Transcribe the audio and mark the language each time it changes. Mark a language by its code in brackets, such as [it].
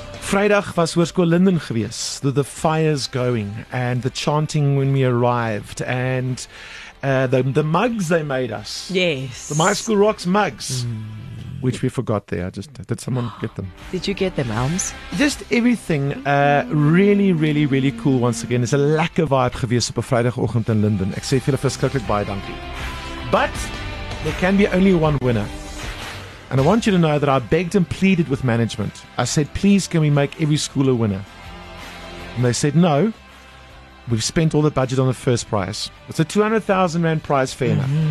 [af] Vrydag was Hoërskool Linden geweest, [en] the fires going and the chanting when we arrived and the mugs they made us. Yes. The My School Rocks mugs, which we forgot there. Did someone get them? Did you get them, Elms? Just everything. Really, really, really cool once again. It's a [af] lekker vibe geweest op 'n Vrydagoggend in Linden. Ek sê vir julle verskriklik baie dankie. [en] But there can be only one winner. And I want you to know that I begged and pleaded with management. I said, please, can we make every school a winner? And they said, no. We've spent all the budget on the first prize. It's a 200,000 rand prize, fair enough.